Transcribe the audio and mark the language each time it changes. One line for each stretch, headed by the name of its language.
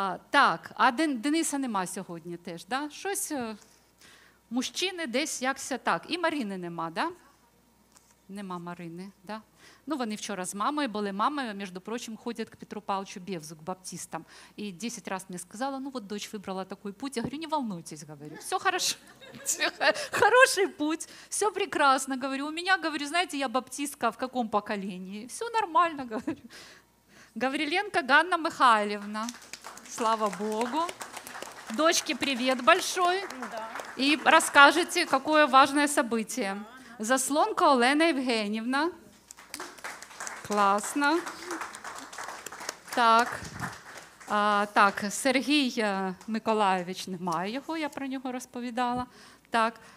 Ukrainian: Так, а Дениса нема сьогодні теж, да? Щось, мужчини десь якся так. І Марини нема, да? Нема Марини, да? Ну, вони вчора з мамою були. Мами, між прочим, ходять к Петру Павловичу Бєвзу, к баптистам. І 10 разів мені сказала, ну, от дочь вибрала такий путь.
Russian: Я говорю, не волнуйтесь, говорю, все хорошо. Хороший путь, все прекрасно, говорю.
Ukrainian: У мене, говорю, знаєте, я баптистка в якому поколінні? Все нормально, говорю. Гавриленко Ганна Михайлівна.
Russian: Слава Богу. Дочке привет большой. И расскажите, какое важное событие. Заслонка Олена Евгеньевна. Классно. Так. Так, Сергей Миколаевич, нема его, я про него розповідала. Так.